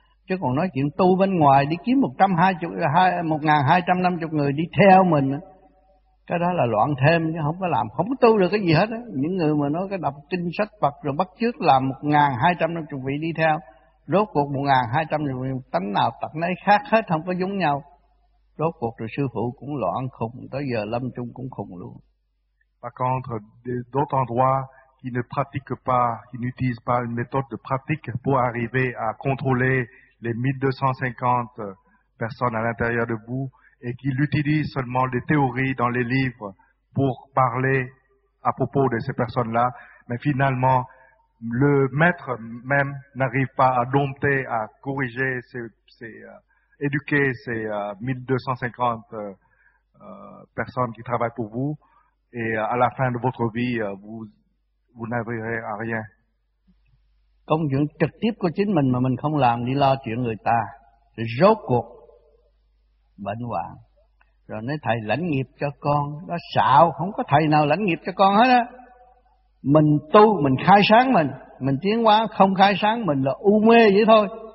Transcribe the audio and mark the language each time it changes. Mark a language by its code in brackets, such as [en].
[vi] Chứ còn nói chuyện tu bên ngoài đi kiếm 1250 người đi theo mình, cái đó là loạn thêm chứ không có làm, không có tu được cái gì hết. Những người mà nói cái đọc kinh sách Phật rồi bắt chước làm 1250 vị đi theo, rốt cuộc 1250 tánh nào tật nấy khác hết, không có giống nhau. Rốt cuộc rồi sư phụ cũng loạn khùng, tới giờ lâm chung cũng khùng luôn. [fr] Par contre, d'autres endroits qui ne pratiquent pas, qui n'utilisent pas une méthode de pratique pour arriver à contrôler les 1250 personnes à l'intérieur de vous et qui l'utilisent seulement des théories dans les livres pour parler à propos de ces personnes-là. Mais finalement, le maître même n'arrive pas à dompter, à corriger éduquer ces 1250 personnes qui travaillent pour vous, et à la fin de votre vie, vous n'arriverez à rien. [vi] Công chuyện trực tiếp của chính mình mà mình không làm, đi lo chuyện người ta, thì rốt cuộc bệnh hoạn. Rồi nói thầy lãnh nghiệp cho con, đó xạo, không có thầy nào lãnh nghiệp cho con hết á. Mình tu, mình khai sáng mình tiến hóa, không khai sáng mình là u mê vậy thôi.